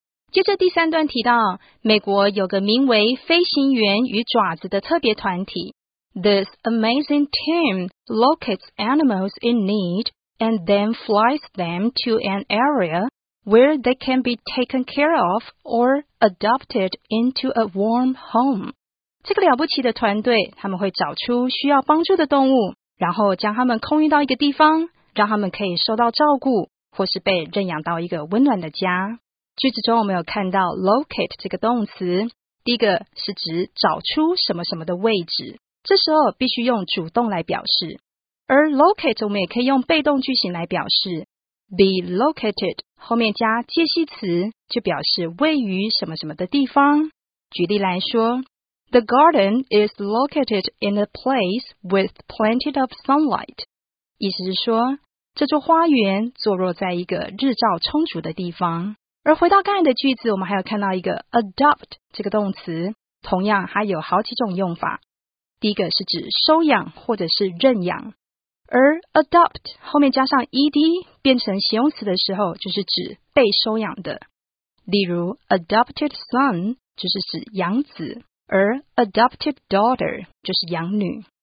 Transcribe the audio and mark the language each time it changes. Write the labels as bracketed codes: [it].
[zh] 接着第三段提到, 美国有个名为飞行员与爪子的特别团体, [en] This amazing team locates animals in need and then flies them to an area where they can be taken care of or adopted into a warm home. [zh] 这个了不起的团队, 他们会找出需要帮助的动物, 然后将它们空运到一个地方, 让它们可以受到照顾, 或是被认养到一个温暖的家。句子中我们有看到locate这个动词, 第一个是指找出什么什么的位置, 这时候必须用主动来表示, 而locate我们也可以用被动句型来表示, be located 后面加介系词, 就表示位于什么什么的地方。 [en] 举例来说, The garden is located in a place with plenty of sunlight. [zh] 意思是说, 这座花园坐落在一个日照充足的地方。而回到刚才的句子,我们还有看到一个adopt这个动词, 同样还有好几种用法。第一个是指收养或者是认养, 而adopt后面加上ed 变成形容词的时候就是指被收养的。例如, adopted son 就是指养子, 而adopted daughter 就是养女。